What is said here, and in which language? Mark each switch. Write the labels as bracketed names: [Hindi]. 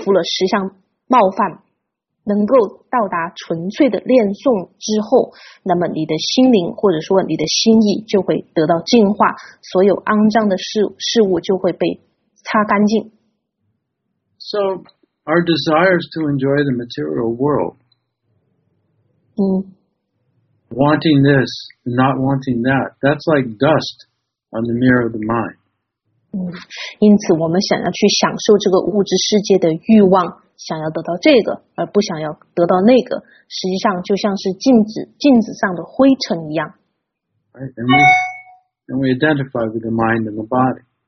[Chinese] 所以他就说到，在你慢慢克服了十项冒犯。能够到达纯粹的念诵之后, 那么你的心灵或者说你的心意就会得到净化, 所有肮脏的事物就会被擦干净。 [English] So, our desires to enjoy the material world, wanting this, not wanting that, that's like dust on the mirror of the mind. [Chinese] 因此我们想要去享受这个物质世界的欲望, 想要得到这个而不想要得到那个, 实际上就像是镜子上的灰尘一样。 [English] Right, and we identify with the mind and the body.